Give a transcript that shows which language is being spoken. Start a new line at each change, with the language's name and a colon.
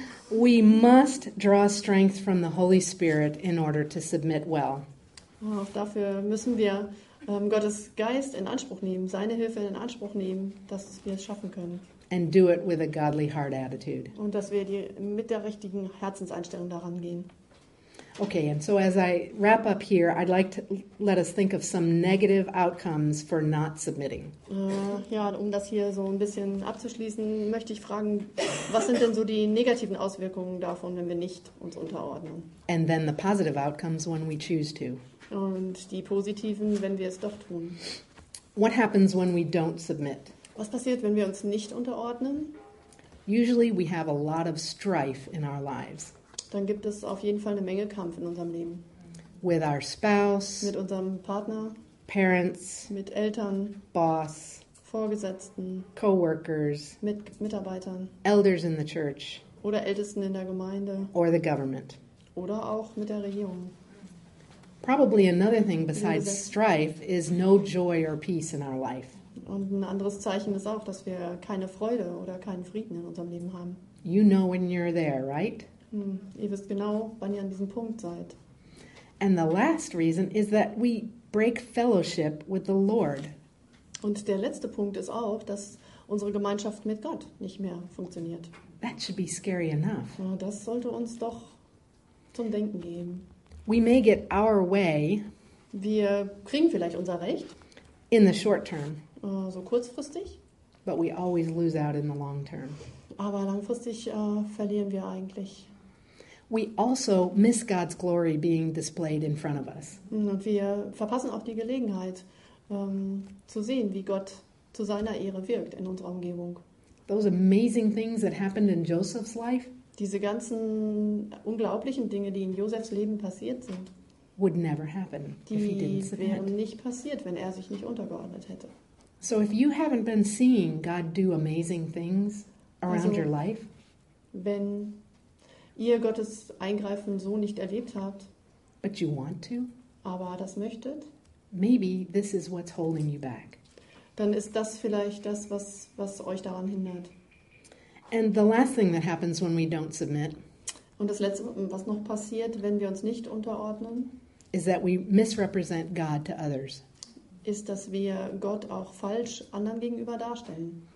English: We must draw strength from the Holy Spirit in order to submit well.
German: Auch dafür müssen wir Gottes Geist in Anspruch nehmen, seine Hilfe in Anspruch nehmen, dass wir es schaffen können.
English: And do it with a godly heart attitude.
German: Und dass wir mit der richtigen Herzenseinstellung daran gehen.
English: Okay, and so as I wrap up here, I'd like to let us think of some negative outcomes for not submitting.
German: Ja, um das hier so ein bisschen abzuschließen, möchte ich fragen, was sind denn so die negativen Auswirkungen davon, wenn wir nicht uns unterordnen?
English: And then the positive outcomes when we choose to.
German: Und die positiven, wenn wir es doch tun.
English: What happens when we don't submit?
German: Was passiert, wenn wir uns nicht unterordnen?
English: Usually we have a lot of strife in our lives.
German: Dann gibt es auf jeden Fall eine Menge Kampf in unserem Leben.
English: With our spouse.
German: Mit unserem Partner.
English: Parents.
German: Mit Eltern.
English: Boss.
German: Vorgesetzten.
English: Coworkers.
German: Mit Mitarbeitern.
English: Elders in the church.
German: Oder Ältesten in der Gemeinde.
English: Or the government.
German: Oder auch mit der Regierung.
English: Probably another thing besides strife is no joy or peace in our life.
German: Und ein anderes Zeichen ist auch, dass wir keine Freude oder keinen Frieden in unserem Leben haben.
English: You know when you're there, right?
German: Ihr wisst genau, wann ihr an diesem Punkt seid.
English: And the last reason is that we break fellowship with the Lord.
German: Und der letzte Punkt ist auch, dass unsere Gemeinschaft mit Gott nicht mehr funktioniert.
English: That should be scary enough.
German: Das sollte uns doch zum Denken geben.
English: We may get our way.
German: Wir kriegen vielleicht unser Recht.
English: In the short term.
German: So kurzfristig.
English: But we always lose out in the long term.
German: Aber langfristig verlieren wir eigentlich.
English: We also miss God's glory being displayed in front of us.
German: Und wir verpassen auch die Gelegenheit zu sehen, wie Gott zu seiner Ehre wirkt in unserer Umgebung.
English: Those amazing things that happened in Joseph's life.
German: Diese ganzen unglaublichen Dinge, die in Josefs Leben passiert sind,
English: would never happen
German: die
English: if he didn't submit.
German: Wären nicht passiert, wenn er sich nicht untergeordnet hätte.
English: So if you haven't been seeing God do amazing things, around also, your life?
German: Wenn ihr Gottes Eingreifen so nicht erlebt habt,
English: but you want to,
German: aber das möchtet,
English: maybe this is what's holding you back.
German: Dann ist das vielleicht das, was euch daran hindert.
English: And the last thing that happens when we don't submit,
German: und das Letzte, was noch passiert, wenn wir uns nicht unterordnen,
English: is that we misrepresent God to others.
German: Ist, dass wir Gott auch falsch anderen gegenüber darstellen.